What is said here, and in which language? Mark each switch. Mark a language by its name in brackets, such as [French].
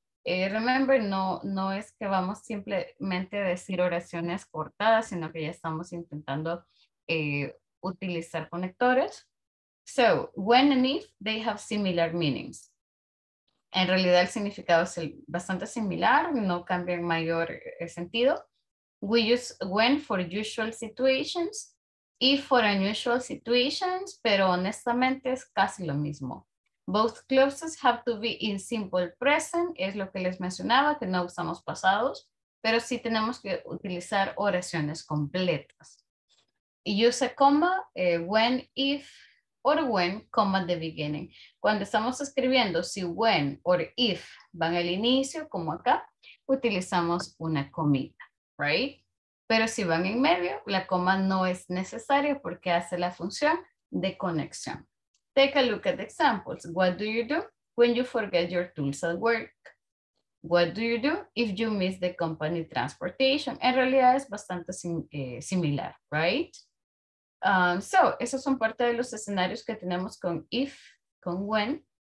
[Spanish] Remember, no es que vamos simplemente a decir oraciones cortadas, sino que ya estamos intentando utilizar conectores. [English] So, when and if, they have similar meanings. [Spanish] En realidad, el significado es bastante similar, no cambia en mayor sentido. [English] We use when for usual situations y for unusual situations, pero honestamente es casi lo mismo. [Spanish] Both clauses have to be in simple present, es lo que les mencionaba, que no usamos pasados, pero sí tenemos que utilizar oraciones completas. [English] Use a comma, when, if, or when, comma the beginning. [Spanish] Cuando estamos escribiendo si when or if van al inicio, como acá, utilizamos una comita, right? Pero si van en medio, la coma no es necesaria porque hace la función de conexión. [English] Take a look at examples. What do you do when you forget your tools at work? What do you do if you miss the company transportation? [Spanish] En realidad es bastante similar, right? So, esos son parte de los escenarios que tenemos con if, con when.